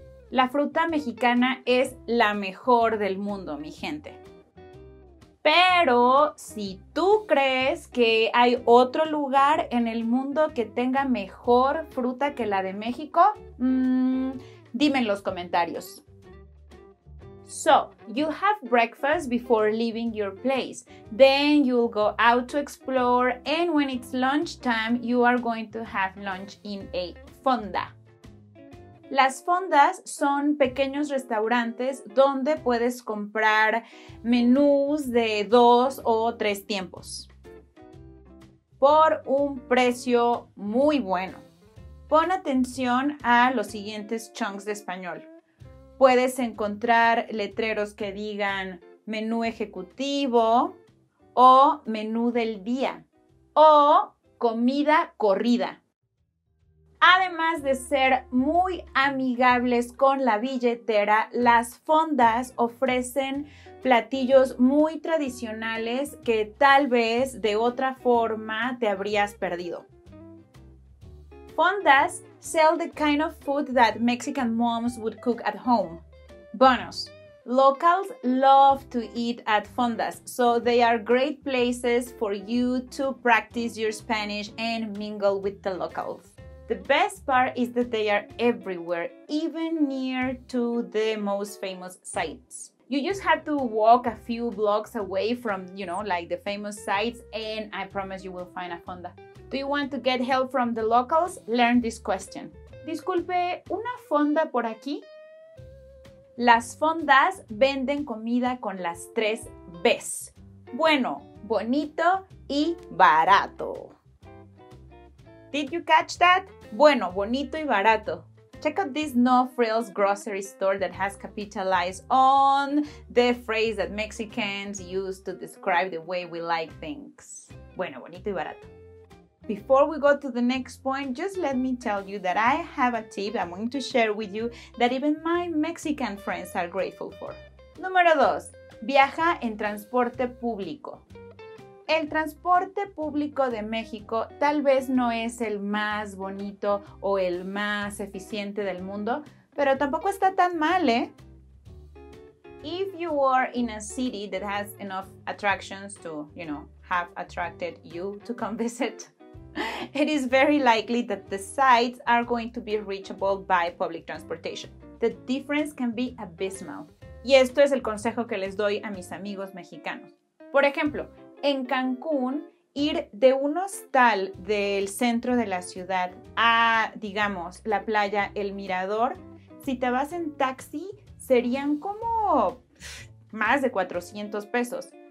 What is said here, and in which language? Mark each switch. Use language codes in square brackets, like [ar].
[es] La fruta mexicana es la mejor del mundo, mi gente. Pero si tú crees que hay otro lugar en el mundo que tenga mejor fruta que la de México, dime en los comentarios. [en] So, you have breakfast before leaving your place. Then you'll go out to explore and when it's lunchtime, you are going to have lunch in a fonda. [es] Las fondas son pequeños restaurantes donde puedes comprar menús de dos o tres tiempos por un precio muy bueno. Pon atención a los siguientes chunks de español. Puedes encontrar letreros que digan menú ejecutivo o menú del día o comida corrida. Además de ser muy amigables con la billetera, las fondas ofrecen platillos muy tradicionales que tal vez de otra forma te habrías perdido. [en] Fondas sell the kind of food that Mexican moms would cook at home. Bonus, locals love to eat at fondas, so they are great places for you to practice your Spanish and mingle with the locals. The best part is that they are everywhere, even near to the most famous sites. You just have to walk a few blocks away from, you know, like the famous sites, and I promise you will find a fonda. Do you want to get help from the locals? Learn this question. [es] Disculpe, ¿una fonda por aquí? Las fondas venden comida con las tres Bs. Bueno, bonito y barato. [en] Did you catch that? [es] Bueno, bonito y barato. [en] Check out this no-frills grocery store that has capitalized on the phrase that Mexicans use to describe the way we like things. [es] Bueno, bonito y barato. [en] Before we go to the next point, just let me tell you that I have a tip I'm going to share with you that even my Mexican friends are grateful for. [es] Número 2. Viaja en transporte público. El transporte público de México tal vez no es el más bonito o el más eficiente del mundo, pero tampoco está tan mal, ¿eh? [en] If you are in a city that has enough attractions to, you know, have attracted you to come visit, it is very likely that the sites are going to be reachable by public transportation. The difference can be abysmal. [es] Y esto es el consejo que les doy a mis amigos mexicanos. Por ejemplo, en Cancún, ir de un hostal del centro de la ciudad a, digamos, la playa El Mirador, si te vas en taxi, serían como más de 400 pesos.